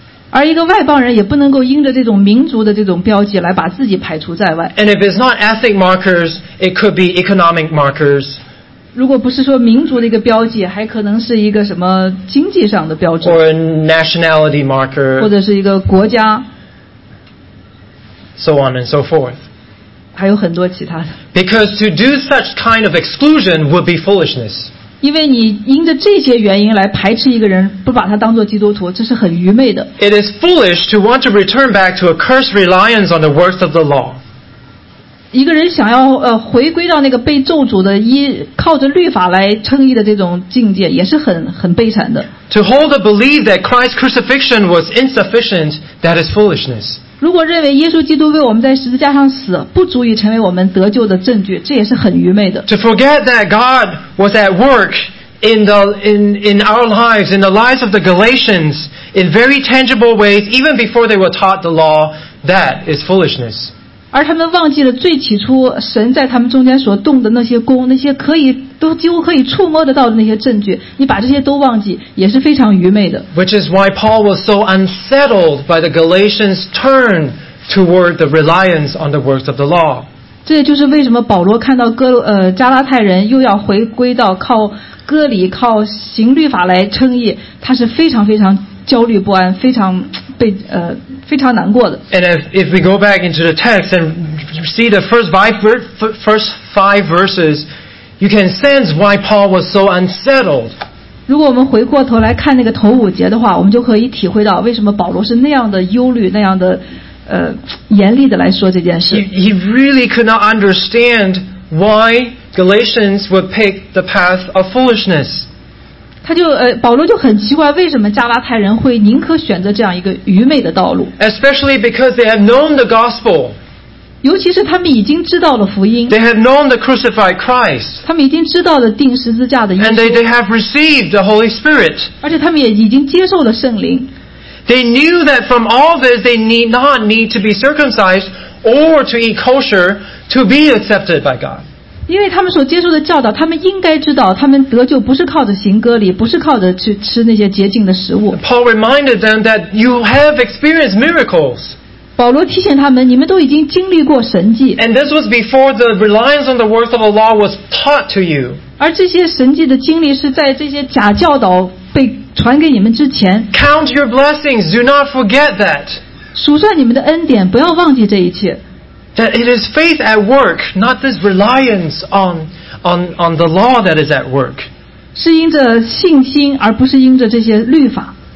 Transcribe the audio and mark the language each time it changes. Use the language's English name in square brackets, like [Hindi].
[Chinese] 而一个外邦人也不能够因着这种民族的这种标记来把自己排除在外。 [English] And if it's not ethnic markers, it could be economic markers. [Chinese] 如果不是说民族的一个标记，还可能是一个什么经济上的标志 [English] ，or a nationality marker， [Chinese] 或者是一个国家 [English] ，so on and so forth， [Chinese] 还有很多其他的。 [English] Because to do such kind of exclusion would be foolishness。 [Chinese] 因为你因着这些原因来排斥一个人，不把他当做基督徒，这是很愚昧的。 [English] It is foolish to want to return back to a cursed reliance on the works of the law。 [Chinese] 一个人想要回归到那个被咒诅的依靠着律法来称义的这种境界，也是很悲惨的。 [English] To hold the belief that Christ's crucifixion was insufficient, that is foolishness. [Chinese] 如果认为耶稣基督为我们在十字架上死不足以成为我们得救的证据，这也是很愚昧的。 [English] To forget that God was at work in our lives, in the lives of the Galatians, in very tangible ways, even before they were taught the law, that is foolishness. [Chinese] 而他们忘记了最起初神在他们中间所动的那些功，那些可以都几乎可以触摸得到的那些证据，你把这些都忘记也是非常愚昧的。 [English] Which is why Paul was so unsettled by the Galatians' turn toward the reliance on the works of the law. [Chinese] 这就是为什么保罗看到加拉太人又要回归到靠割礼靠行律法来称义，他是非常非常焦虑不安，非常被非常难过的。 [English] And if we go back into the text and see the first five verses, you can sense why Paul was so unsettled. [Chinese] 如果我们回过头来看那个头五节的话，我们就可以体会到为什么保罗是那样的忧虑，那样的严厉的来说这件事。 [English] He really could not understand why Galatians would pick the path of foolishness. [Chinese] 他就保罗就很奇怪，为什么加拉太人会宁可选择这样一个愚昧的道路 [English] ？Especially because they have known the gospel. [Chinese] 尤其是他们已经知道了福音。 [English] They have known the crucified Christ. [Chinese] 他们已经知道了钉十字架的耶稣。 [English] And they have received the Holy Spirit. [Chinese] 而且他们也已经接受了圣灵。 [English] They knew that from all this, they need not to be circumcised or to eat kosher to be accepted by God. [Chinese] 因为他们所接受的教导，他们应该知道，他们得救不是靠着行割礼，不是靠着去吃那些洁净的食物。 [English] Paul reminded them that you have experienced miracles. [Chinese] 保罗提醒他们，你们都已经经历过神迹。 [English] And this was before the reliance on the works of the law was taught to you. [Chinese] 而这些神迹的经历是在这些假教导被传给你们之前。 [English] Count your blessings. Do not forget that. [Chinese] 数算你们的恩典，不要忘记这一切。 [English] That it is faith at work, not this reliance on the law that is at work. [Chinese] 是因着信心，而不是因着这些律法。